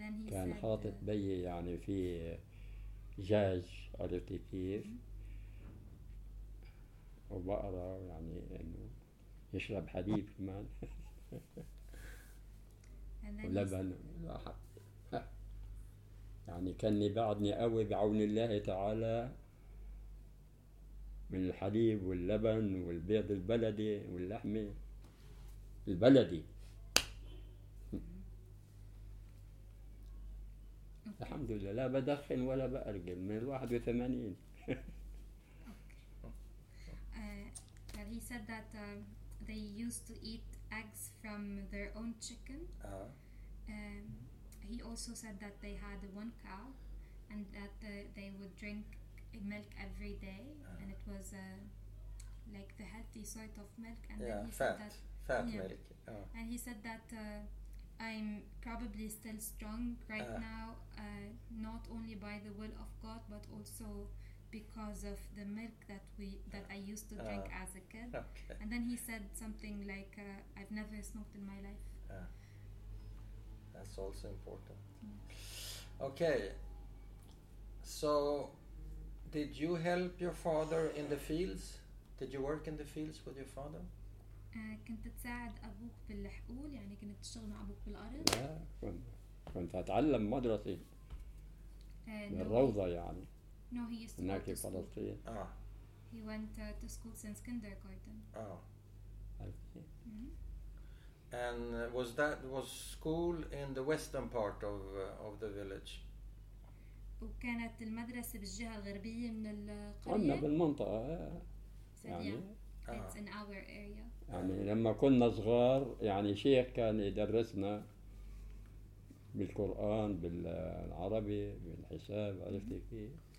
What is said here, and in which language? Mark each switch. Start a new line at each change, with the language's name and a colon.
Arabic: كان حاطط بيي يعني في جاج، عرفتي كيف؟ وبقرة يعني، إنه يشرب حليب كمان ولبن يعني، كان بعدني قوي بعون الله تعالى من الحليب واللبن والبيض البلدي واللحم البلدي. الحمد لله، لا بدخن ولا بأرجل من 81.
English: Well, he said that they used to eat eggs from their own chicken. He also said that they had one cow and that they would drink milk every day, and it was like the healthy sort of milk. And yeah, then he fat, said that, fat yeah, milk. And he said that I'm probably still strong right now, not only by the will of God, but also because of the milk that I used to drink as a kid. Okay. And then he said something like, I've never smoked in my life. That's also important. Okay, so did you help your father in the fields? Did you work in the fields with your father?
Arabic: كنت تساعد أبوك في الحقول يعني كنت تشتغل مع أبوك في الأرض. لا كنت أتعلم مدرسي من الروضة يعني.
English: No, he used to go to school.
Arabic: فلسطين. آه.
English: He went to school since kindergarten. آه. Okay. Mm-hmm. And was school in the western part of the village?
Arabic: وكانت المدرسة بالجهة الغربية من القرية. عنا بالمنطقة. يعني.
English: It's in our area.
Arabic: يعني لما كنا صغار يعني شيخ كان يدرسنا بالقرآن بالعربي بالحساب عرفتي كيف؟